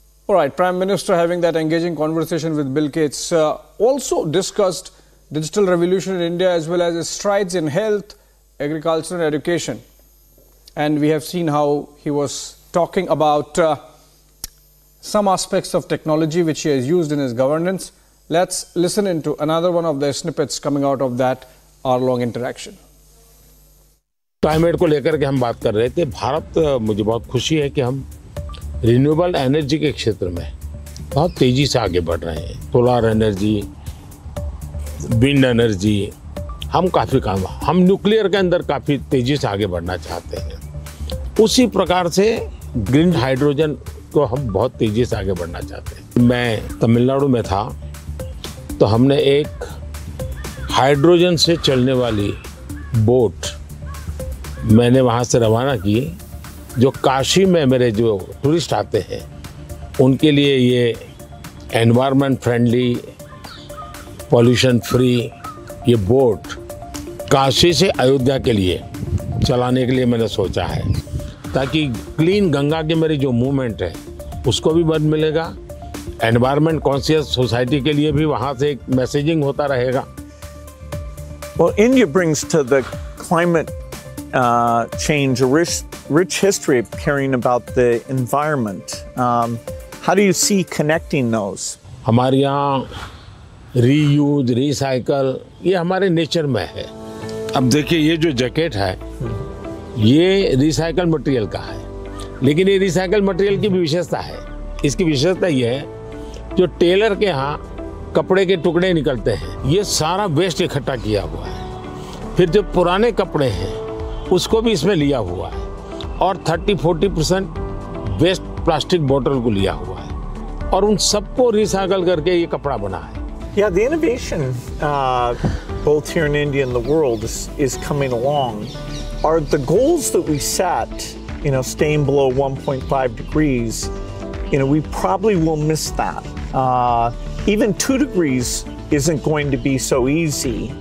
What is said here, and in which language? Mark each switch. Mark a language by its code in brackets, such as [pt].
[en] All right, Prime Minister having that engaging conversation with Bill Gates, also discussed digital revolution in India as well as strides in health, agriculture and education. And we have seen how he was talking about some aspects of technology which he has used in his governance. Let's listen into another one of the snippets coming out of that hour-long interaction. [hi] Climate को लेकर के हम बात कर रहे थे. भारत मुझे बहुत खुशी है कि हम रिन्यूएबल एनर्जी के क्षेत्र में बहुत तेजी से आगे बढ़ रहे हैं. सोलार एनर्जी, विंड एनर्जी, हम न्यूक्लियर के अंदर काफ़ी तेजी से आगे बढ़ना चाहते हैं. उसी प्रकार से ग्रीन हाइड्रोजन को हम बहुत तेजी से आगे बढ़ना चाहते हैं. मैं तमिलनाडु में था तो हमने एक हाइड्रोजन से चलने वाली बोट मैंने वहाँ से रवाना की, जो काशी में मेरे जो टूरिस्ट आते हैं उनके लिए ये एनवायरनमेंट फ्रेंडली, पॉल्यूशन फ्री ये बोट काशी से अयोध्या के लिए चलाने के लिए मैंने सोचा है, ताकि क्लीन गंगा की मेरी जो मूवमेंट है उसको भी बल मिलेगा, एनवायरनमेंट कॉन्शियस सोसाइटी के लिए भी वहाँ से एक मैसेजिंग होता रहेगा. [en] Well, India brings to the climate change a rich history of caring about the environment. How do you see connecting those? [hi] हमारे यहाँ रीयूज, रिसाइकल, ये हमारे नेचर में है. अब देखिए ये जो जैकेट है ये रिसाइकल मटेरियल का है, लेकिन ये रिसाइकल मटेरियल की भी विशेषता है. इसकी विशेषता ये है, जो टेलर के यहाँ कपड़े के टुकड़े निकलते हैं ये सारा वेस्ट इकट्ठा किया हुआ है, फिर जो पुराने कपड़े हैं उसको भी इसमें लिया हुआ है, और 30-40% वेस्ट प्लास्टिक बोतल को लिया हुआ है, और उन सबको रिसाइकल करके ये कपड़ा बना है. [en] Yeah, the innovation both here in India and the world is coming along. Are the goals that we set, you know, staying below 1.5 degrees, you know, we probably will miss that. Even 2 degrees isn't going to be so easy.